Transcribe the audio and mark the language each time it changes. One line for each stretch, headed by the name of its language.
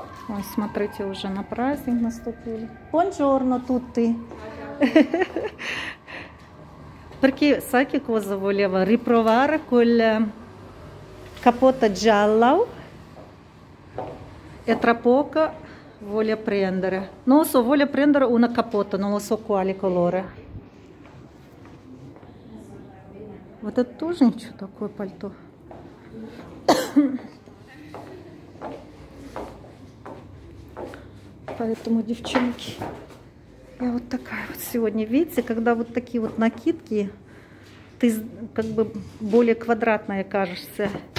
Russian: Ой, смотрите, уже на праздник наступили.
Italian: Buongiorno tutti. Perché sai che cosa volevo? Riprovare quel capote giallo. E tra poco voglio prendere. Non lo so, voglio prendere una capote, non lo so quale colore.
Russian: Вот это тоже ничего такое пальто. Поэтому, девчонки, Я вот такая вот сегодня. Видите, когда вот такие вот накидки, ты как бы более квадратная кажешься.